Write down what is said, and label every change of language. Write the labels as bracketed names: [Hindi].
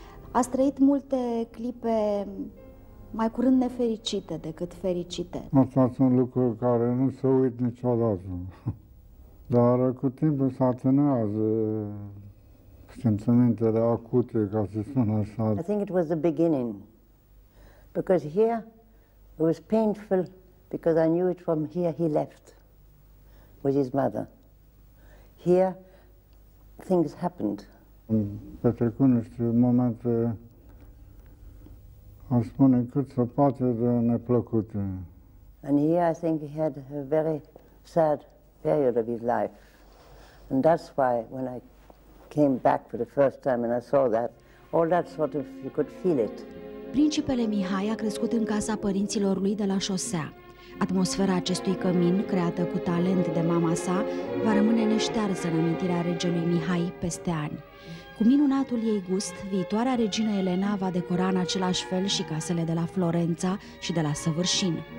[Romanian] A trăit multe clipe mai curând nefericite decât fericite. Asta sunt lucruri care nu se uit niciodată. Dar cu timpul se atenuează sentimentele acute, ca să spun așa. [English] I think it was the beginning. Because here it was painful because I knew it from here he left with his mother. Here, things happened. [Romanian] Petrecu niște momente, aș spune, cât se poate de neplăcute. [English] And here, I think he had a very sad period of his life. And that's why when I came back for the first time and I saw that, all that sort of, you could feel it. [Romanian] Principele Mihai a crescut în casa părinților lui de la șosea. Atmosfera acestui cămin, creată cu talent de mama sa, va rămâne neștearsă în amintirea regelui Mihai peste ani. Cu minunatul ei gust, viitoarea regină Elena va decora în același fel și casele de la Florența și de la Săvârșin.